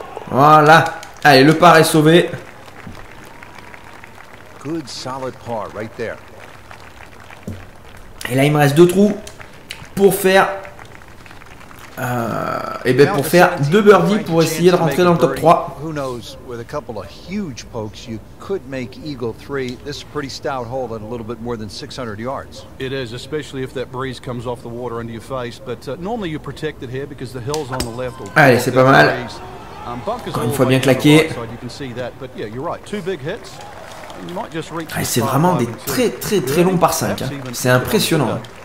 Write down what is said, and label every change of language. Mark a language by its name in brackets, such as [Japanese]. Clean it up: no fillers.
[French] Voilà. Allez, le par est sauvé. [English] Good solid par right there. [French] Et là, il me reste deux trous pour faire pour faire deux birdies pour essayer de rentrer dans le top 3. [English] Who knows, with a couple of huge pokes, you could make eagle 3. This is a pretty stout hole at a little bit more than 600 yards. It is, especially if that breeze comes off the water into your face. But normally you protect it here because the hills on the left. [French] Allez, c'est pas mal. Encore une fois, bien claqué. Ah, c'est vraiment des très très très longs par 5. Hein. C'est impressionnant.